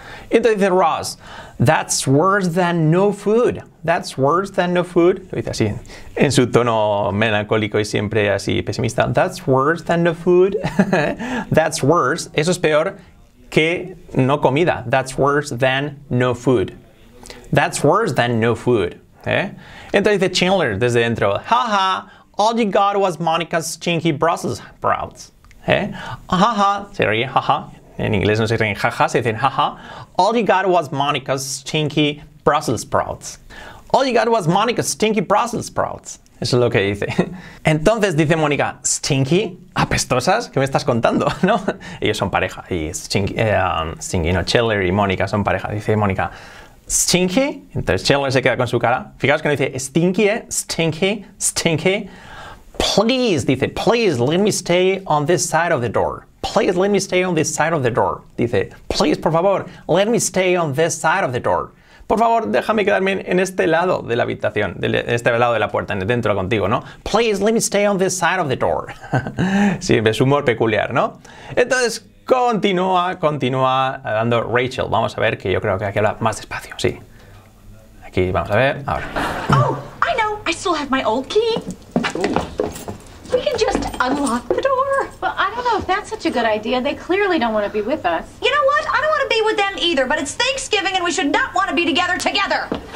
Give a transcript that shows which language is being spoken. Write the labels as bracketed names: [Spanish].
[Spanish] Y entonces dice Ross, [English] that's worse than no food. That's worse than no food. [Spanish] Lo dice así, en su tono melancólico y siempre así pesimista. [English] That's worse than no food. That's worse. [Spanish] Eso es peor que no comida. [English] That's worse than no food. That's worse than no food. ¿Eh? [Spanish] Entonces dice Chandler desde dentro, [English] ha ha, all you got was Monica's stinky Brussels sprouts. ¿Eh? [Spanish] Ha ha, se ríe, ha ha. En inglés no se ríen jaja, se dicen jaja. [English] All you got was Monica's stinky Brussels sprouts. All you got was Monica's stinky Brussels sprouts. [Spanish] Eso es lo que dice. Entonces dice Mónica, [English] stinky, [Spanish] apestosas, ¿qué me estás contando? ¿No? Ellos son pareja. Y stinky, no, Chandler y Mónica son pareja. Dice Mónica, stinky. Entonces Chandler se queda con su cara. Fijaos que no dice stinky, stinky, stinky. [English] Please, dice, please let me stay on this side of the door. Please let me stay on this side of the door. Dice, please, [Spanish] por favor, [English] let me stay on this side of the door. [Spanish] Por favor, déjame quedarme en este lado de la habitación, en este lado de la puerta, dentro contigo, ¿no? [English] Please let me stay on this side of the door. [Spanish] Sí, es humor peculiar, ¿no? Entonces, continúa dando Rachel. Vamos a ver, que yo creo que aquí habla más despacio, sí. Aquí, vamos a ver, ahora. [English] Oh, I know, I still have my old key. We can just unlock the door. Well, I don't know if that's such a good idea. They clearly don't want to be with us. You know what? I don't want to be with them either, but it's Thanksgiving and we should not want to be together together.